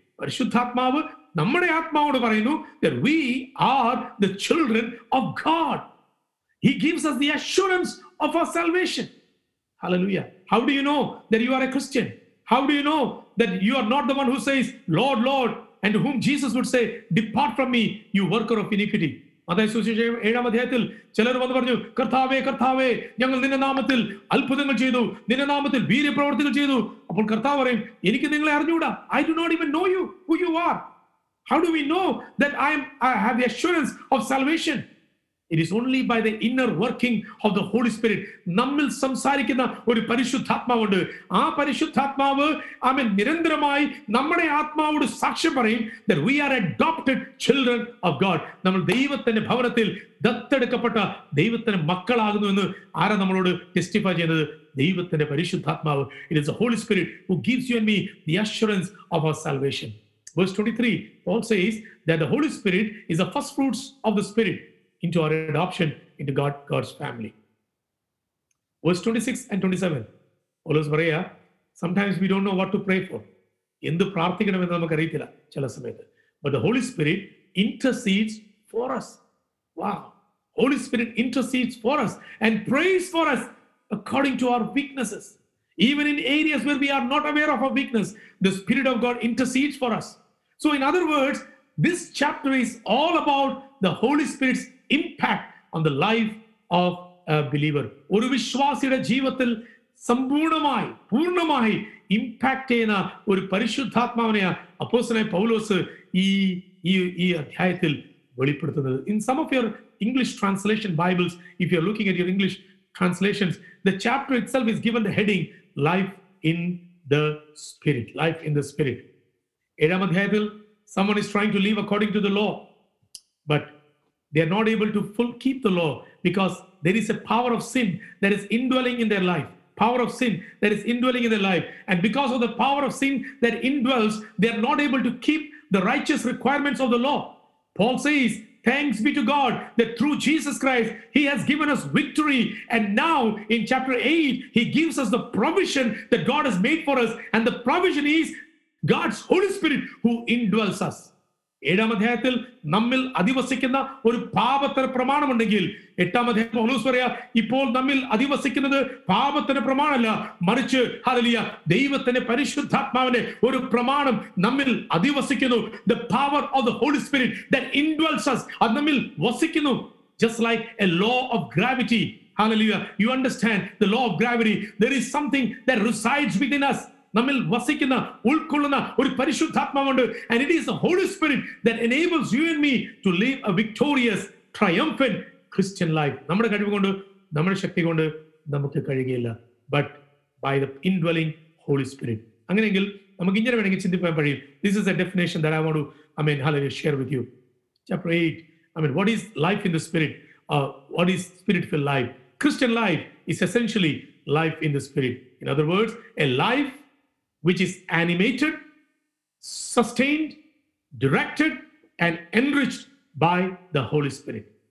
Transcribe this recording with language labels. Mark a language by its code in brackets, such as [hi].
[ml] Parishuddhaatmaavu nammude aathmaavodu parayunu [en] that we are the children of God. He gives us the assurance of our salvation. Hallelujah. How do you know that you are a Christian? How do you know that you are not the one who says, Lord, Lord, and to whom Jesus would say, depart from me, you worker of iniquity? [ml] അതായത് സുവിശേഷം ഏഴാം അധ്യായത്തിൽ ചിലർ വന്ന് പറഞ്ഞു, കർത്താവേ കർത്താവേ, ഞങ്ങൾ നിന്റെ നാമത്തിൽ അത്ഭുതങ്ങൾ ചെയ്തു, നിന്റെ നാമത്തിൽ വീര്യപ്രവർത്തികൾ ചെയ്തു. അപ്പോൾ കർത്താവ് പറയും, എനിക്ക് നിങ്ങളെ അറിഞ്ഞുകൂടാ. [en] I do not even know you who you are. How do we know that I have the assurance of salvation? It is only by the inner working of the holy spirit. [ml] നമ്മിൽ സംസാരിക്കുന്ന ഒരു പരിശുദ്ധാത്മാവുണ്ട്. ആ പരിശുദ്ധാത്മാവ് അവൻ നിരന്തരമായി നമ്മുടെ ആത്മാവോട് സാക്ഷ്യം പറയും [en] that we are adopted children of God. [ml] നമ്മൾ ദൈവത്തിന്റെ ഭവനത്തിൽ ദത്തെടുക്കപ്പെട്ട ദൈവത്തിന്റെ മക്കളാകുന്നു എന്ന് ആരാ നമ്മളോട് ടെസ്റ്റിഫൈ ചെയ്യുന്നത്? ദൈവത്തിന്റെ പരിശുദ്ധാത്മാവ്. [en] It is the holy spirit who gives you and me the assurance of our salvation. Verse 23, Paul says that the Holy Spirit is the first fruits of the Spirit into our adoption into God's family. Verse 26 and 27, [ml] Paulus paraya, [en] sometimes we don't know what to pray for. [ml] Endu prarthikanam ennu namak arithilla chala samayathu. [en] But the Holy Spirit intercedes for us. Wow. Holy Spirit intercedes for us and prays for us according to our weaknesses. Even in areas where we are not aware of our weakness, the Spirit of God intercedes for us. So in other words, this chapter is all about the Holy Spirit's impact on the life of a believer. [ml] ഒരു വിശ്വാസിയുടെ ജീവിതത്തിൽ സമ്പൂർണമായി പൂർണമായി impact ചെയ്യുന്ന ഒരു പരിശുദ്ധാത്മാവിനെയാണ് അപ്പോസ്തലനായ പൗലോസ് ഈ അധ്യായത്തിൽ വെളിപ്പെടുത്തുന്നത്. [en] In some of your English translation Bibles, if you are looking at your English translations, the chapter itself is given the heading life in the spirit. Life in the spirit. [ml] Edam adhyayathil, [en] someone is trying to live according to the law, but they are not able to full keep the law because there is a power of sin that is indwelling in their life. Power of sin that is indwelling in their life. And because of the power of sin that indwells, they are not able to keep the righteous requirements of the law. Paul says, thanks be to God that through Jesus Christ, he has given us victory. And now in chapter 8, he gives us the provision that God has made for us. And the provision is God's Holy Spirit who indwells us. [ml] ഏഴാം അധ്യായത്തിൽ നമ്മിൽ അധിവസിക്കുന്ന ഒരു പാപത്തിന് പ്രമാണമുണ്ടെങ്കിൽ എട്ടാം അധ്യായം പൗലോസ് പറയാ, ഇപ്പോൾ നമ്മിൽ അധിവസിക്കുന്നത് പാപത്തിന് പ്രമാണമല്ല, മറിച്ച് ഹല്ലേലൂയ ദൈവത്തിന്റെ പരിശുദ്ധാത്മാവിന്റെ ഒരു പ്രമാണം നമ്മിൽ അധിവസിക്കുന്നു. [en] the power of the holy spirit that indwells us, [ml] അത് നമ്മിൽ വസിക്കുന്നു. [en] just like a law of gravity, hallelujah, you understand the law of gravity, there is something that resides within us, [ml] നമ്മിൽ വസിക്കുന്ന ഉൾക്കൊള്ളുന്ന ഒരു പരിശുദ്ധാത്മാവുണ്ട്. [en] And it is the Holy Spirit that enables you and me to live a victorious, triumphant Christian life. [ml] നമ്മുടെ കഴിവ് കൊണ്ട്, നമ്മുടെ ശക്തി കൊണ്ട് നമുക്ക് കഴിയുകയില്ല, [en] but by the indwelling Holy Spirit. [ml] അങ്ങനെയെങ്കിൽ നമുക്ക് ഇങ്ങനെ വേണമെങ്കിൽ ചിന്തിക്കാൻ കഴിയും. [en] This is a definition that I want to, hallelujah, share with you. Chapter 8, what is life in the Spirit? What is spirit-filled life? Christian life is essentially life in the Spirit. In other words, a life which is animated, sustained, directed, and enriched by the Holy Spirit.